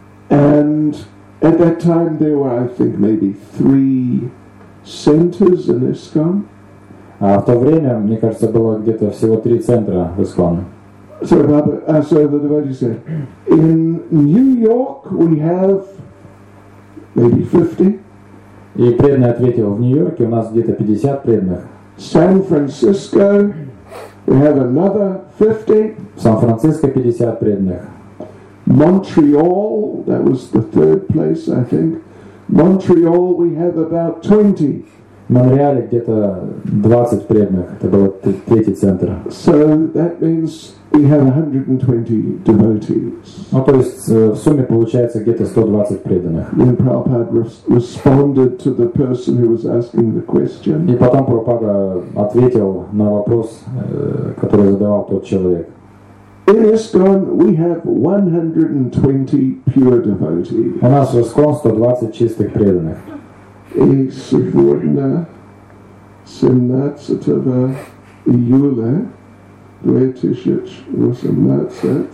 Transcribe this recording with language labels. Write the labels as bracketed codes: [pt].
[en] And at that time there were, I think, maybe 3 centers in ISKCON. [ru] А в то время, мне кажется, было где-то всего 3 центра в ISKCON. [en] So the devotee said, in New York we have maybe 50. [ru] И преданный ответил, в Нью-Йорке у нас где-то 50 преданных. [en] Сан-Франциско, we have another 50. [ru] В Сан-Франциско 50 преданных. [en] Montreal, that was the third place, I think. Montreal, we have about 20. [ru] В Монреале где-то 20 преданных, это был третий центр. [en] So that means we have 120 devotees. [ru] Ну, то есть в сумме получается где-то 120 преданных. [en] Then Prabhupada responded to the person who was asking the question. [ru] И потом Прабхупада ответил на вопрос, который задавал тот человек. [en] In ISKCON we have 120 pure devotees. [ru] У нас в ISKCON 120 чистых преданных. И сегодня 17 июля 2018